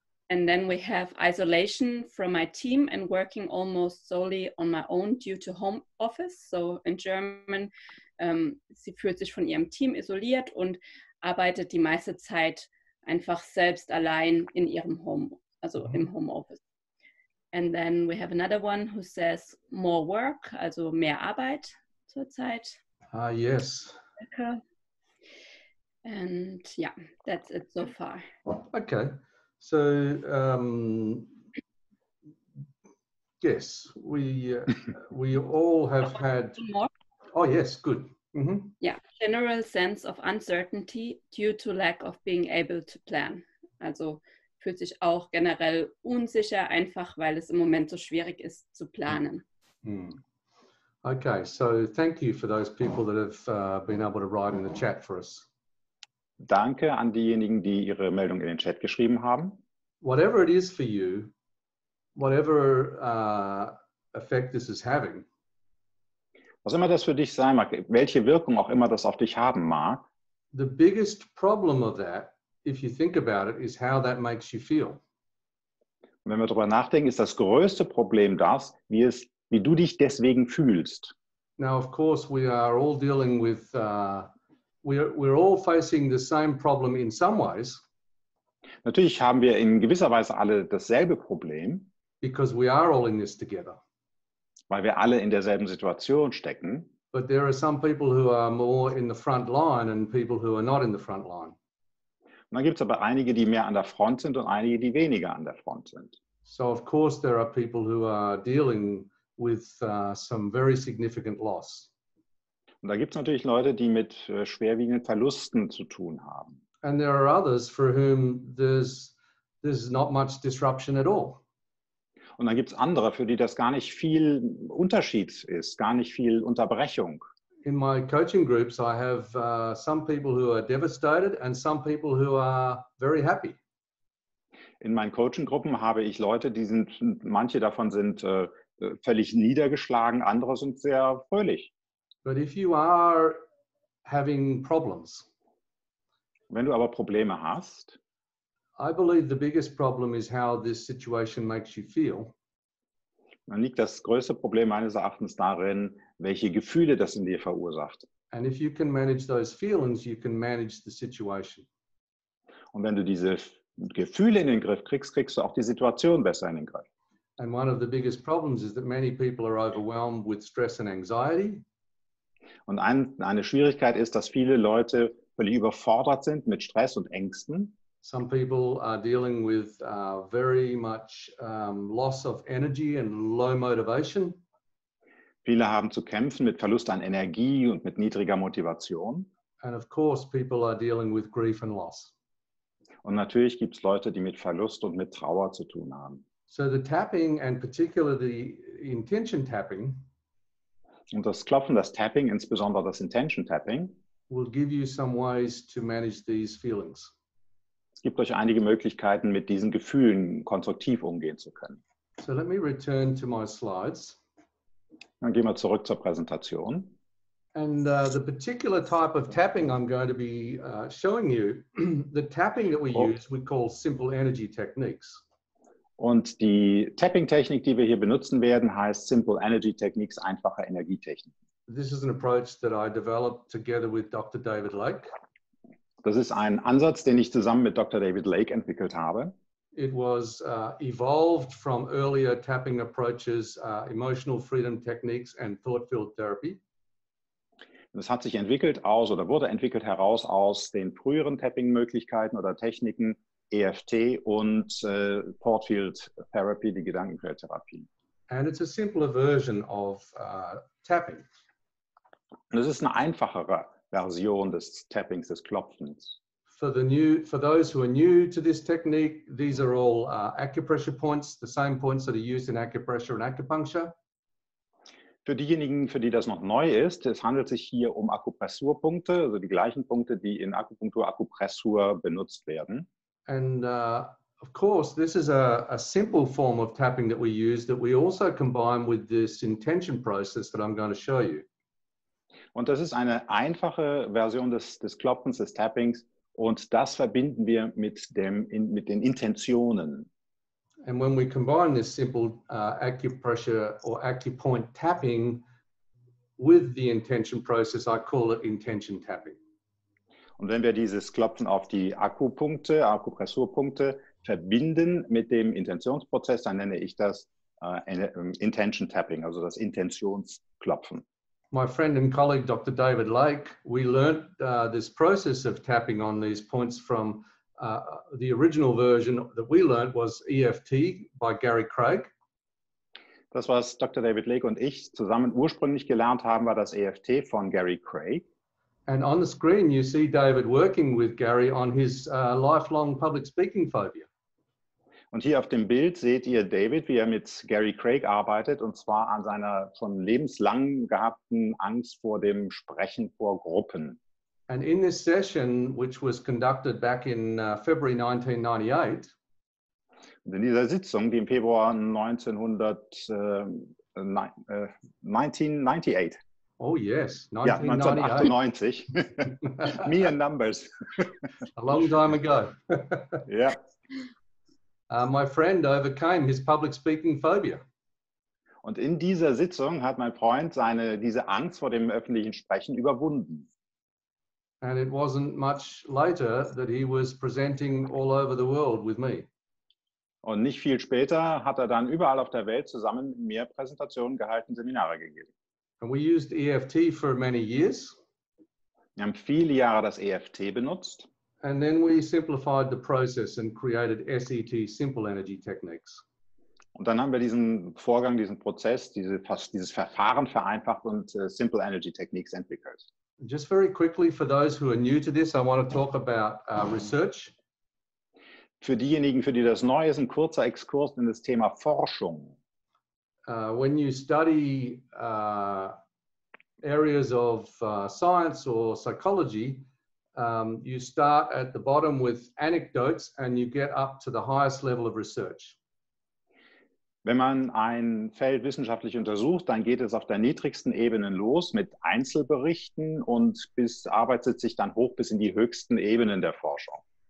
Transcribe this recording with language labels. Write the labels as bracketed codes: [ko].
[en] And then we have isolation from my team and working almost solely on my own due to home office. [de] So, in German, sie fühlt sich von ihrem Team isoliert und arbeitet die meiste Zeit einfach selbst allein in ihrem Home, also im Home Office. [en] And then we have another one who says more work, [de] also mehr Arbeit zurzeit. [en] Ah, yes. And yeah, that's it so far. Okay. So, yes, we all have had... More. Oh, yes, good. Mm-hmm. Yeah, general sense of uncertainty due to lack of being able to plan. Also... [de] fühlt sich auch generell unsicher, einfach weil es im Moment so schwierig ist zu planen. [en] Okay, so thank you for those people that have been able to write in the chat for us. [de] Danke an diejenigen, die ihre Meldung in den Chat geschrieben haben. [en] Whatever it is for you, whatever effect this is having. [de] Was immer das für dich sein mag, welche Wirkung auch immer das auf dich haben mag. [en] The biggest problem of that, if you think about it, is how that makes you feel. [de] Wenn wir darüber nachdenken, ist das größte Problem das, wie du dich deswegen fühlst. [en] Now, of course, we are all dealing with, we're all facing the same problem in some ways. [de] Natürlich haben wir in gewisser Weise alle dasselbe Problem. [en] Because we are all in this together. [de] Weil wir alle in derselben Situation stecken. [en] But there are some people who are more in the front line and people who are not in the front line. [de] Und dann gibt es aber einige, die mehr an der Front sind und einige, die weniger an der Front sind. [en] So of course there are people who are dealing with some very significant loss. [de] Und da gibt's natürlich Leute, die mit schwerwiegenden Verlusten zu tun haben. [en] And there are others for whom there's not much disruption at all. [de] Und dann gibt's andere, für die das gar nicht viel Unterschied ist, gar nicht viel Unterbrechung. [en] In my coaching groups I have some people who are devastated and some people who are very happy. [de] In meinen Coaching-Gruppen habe ich Leute, die sind, manche davon sind völlig niedergeschlagen, andere sind sehr fröhlich. [en] But if you are having problems, [de] wenn du aber Probleme hast, [en] I believe the biggest problem is how this situation makes you feel. [de] Dann liegt das größte Problem meines Erachtens darin, welche Gefühle das in dir verursacht. [en] And if you can manage those feelings, you can manage the situation. [de] Und wenn du diese Gefühle in den Griff kriegst, kriegst du auch die Situation besser in den Griff. [en] And one of the biggest problems is that many people are overwhelmed with stress and anxiety. [de] Und eine Schwierigkeit ist, dass viele Leute völlig überfordert sind mit Stress und Ängsten. [en] Some people are dealing with very much loss of energy and low motivation. [de] Viele haben zu kämpfen mit Verlust an Energie und mit niedriger Motivation. [en] And of course people are dealing with grief and loss. [de] Und natürlich gibt es Leute, die mit Verlust und mit Trauer zu tun haben. [en] So the tapping and particularly the intention tapping, [de] und das Klopfen, das Tapping, insbesondere das Intention Tapping, [en] will give you some ways to manage these feelings. [de] Es gibt euch einige Möglichkeiten, mit diesen Gefühlen konstruktiv umgehen zu können. [en] So let me return to my slides. [de] Dann gehen wir zurück zur Präsentation. [en] And the particular type of tapping I'm going to be showing you, the tapping that we use, we call simple energy techniques. [de] Und die Tapping-Technik, die wir hier benutzen werden, heißt simple energy techniques, einfache Energietechniken. [en] This is an approach that I developed together with Dr. David Lake. [de] Das ist ein Ansatz, den ich zusammen mit Dr. David Lake entwickelt habe. [en] It was evolved from earlier tapping approaches, emotional freedom techniques and thought-filled therapy. [de] Es hat sich entwickelt aus oder wurde entwickelt heraus aus den früheren Tapping-Möglichkeiten oder Techniken EFT und thought-filled therapy, die Gedankenfeldtherapie. [en] And it's a simpler version of tapping. [de] Und es ist eine einfachere Version des Tappings, des Klopfens. [en] For those who are new to this technique, these are all acupressure points, the same points that are used in acupressure and acupuncture. [de] Für diejenigen, für die das noch neu ist, es handelt sich hier um Akupressurpunkte, also die gleichen Punkte, die in Akupunktur, Akupressur benutzt werden. [en] And of course, this is a simple form of tapping that we use that we also combine with this intention process that I'm going to show you. [de] Und das ist eine einfache Version des Klopfens, des Tappings, und das verbinden wir mit den Intentionen. [en] And when we combine this simple acupressure or acupoint tapping with the intention process, I call it intention tapping. [de] Und wenn wir dieses Klopfen auf die Akupunkte, Akupressurpunkte verbinden mit dem Intentionsprozess, dann nenne ich das intention tapping, also das Intentionsklopfen. [en] My friend and colleague, Dr. David Lake, we learned this process of tapping on these points from the original version that we learned was EFT by Gary Craig. [de] Das, was Dr. David Lake und ich zusammen ursprünglich gelernt haben, war das EFT von Gary Craig. [en] And on the screen, you see David working with Gary on his lifelong public speaking phobia. [de] Und hier auf dem Bild seht ihr David, wie er mit Gary Craig arbeitet, und zwar an seiner schon lebenslang gehabten Angst vor dem Sprechen vor Gruppen. [en] And in this session, which was conducted back in February 1998. [de] Und in dieser Sitzung, die im Februar 1998. [en] Me and numbers. A long time ago. Yeah. My friend overcame his public speaking phobia. [de] Und in dieser Sitzung hat mein Freund diese Angst vor dem öffentlichen Sprechen überwunden. [en] And it wasn't much later that he was presenting all over the world with me. [de] Und nicht viel später hat er dann überall auf der Welt zusammen mit mir Präsentationen gehalten, Seminare gegeben. [en] And we used EFT for many years. [de] Wir haben viele Jahre das EFT benutzt. [en] And then we simplified the process and created SET, Simple Energy Techniques. [de] Und dann haben wir diesen Vorgang, diesen Prozess, dieses Verfahren vereinfacht und Simple Energy Techniques entwickelt. [en] Just very quickly for those who are new to this, I want to talk about research. [de] Für diejenigen, für die das neu ist, ein kurzer Exkurs in das Thema Forschung. [en] When you study areas of science or psychology, you start at the bottom with anecdotes and you get up to the highest level of research. [de] Wenn man ein Feld wissenschaftlich untersucht, dann geht es auf der niedrigsten Ebene los mit Einzelberichten und arbeitet sich dann hoch bis in die höchsten Ebenen der Forschung.